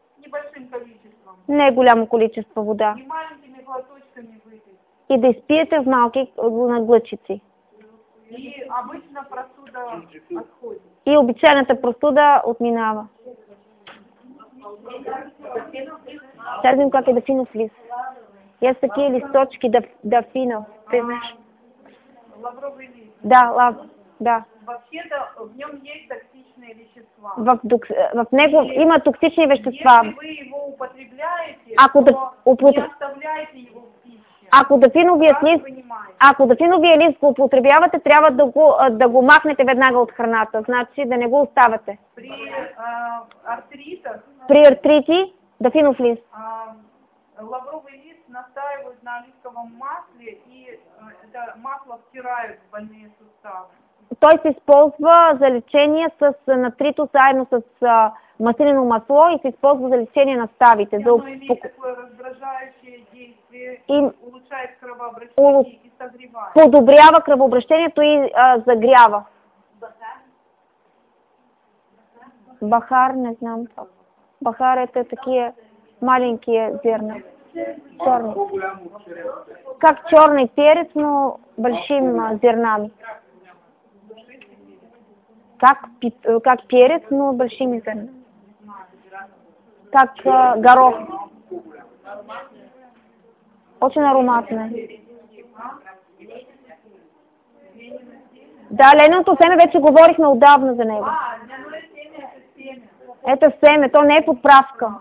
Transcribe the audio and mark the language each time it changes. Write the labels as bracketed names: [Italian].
[Russian] Небольшим количеством. [Bulgarian] Не голямо количество вода. [Russian] И маленькими глоточками выпить. [Bulgarian] И да изпиете в малки глъчици. [Russian] И обычно простуда отходит. [Bulgarian] И обичайната простуда отминава. Сега видим как е дафинов лист. И аз такива листочки дафинов. [Russian] Лавровый лист. Да, лав. Да. Вообще-то в нем есть токсичные вещества. [Bulgarian] В него има токсични вещества. [Russian] Если вы его употребляете, [Bulgarian] ако то [Russian] не оставляете его в пище. [Bulgarian] Ако дафиновия лист, го употребявате, трябва да го, махнете веднага от храната. Значи да не го оставате. [Russian] При артритах. [Bulgarian] При артрити, дафинов лист. [Russian] Лавровый лист настаивают на оливковом масле и это масло втирают в больные суставы. [Bulgarian] Той се използва за лечение с натрито заедно с маслино масло и се използва за лечение на ставите. [Russian] И оно имеет такое раздражающее действие, улучшает кровообращение и согревание. [Bulgarian] Подобрява кръвообращението и загрява. Бахар? Бахар, не знам. Бахар е такива маленьки зерна. Черни. [Russian] Как черный перец, но большими зернами. Как перец, но большими зернами. Как горох. Очень ароматный. [Bulgarian] Да, леното семя, вече говорихме отдавна за него. [Russian] Это семя, [Bulgarian] то не е подправка.